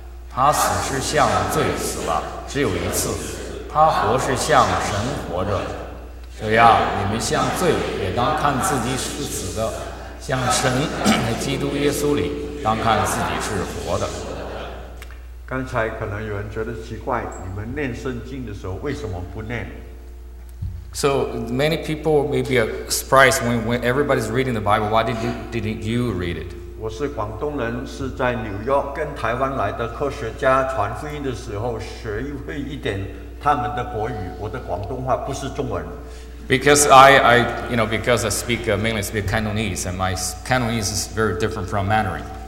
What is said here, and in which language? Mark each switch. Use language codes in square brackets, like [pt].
[zh] 他死是向罪死了，只有一次；他活是向神活着。这样，你们向罪也当看自己是死的，向神在基督耶稣里当看自己是活的。刚才可能有人觉得奇怪，你们念圣经的时候为什么不念？ [en] So many people may be surprised when everybody's reading the Bible. Why did you read it? [zh] 我是广东人，是在纽约跟台湾来的科学家，传福音的时候学会一点他们的国语，我的广东话不是中文。 [en] Because I speak mainly speak Cantonese, and my Cantonese is very different from Mandarin.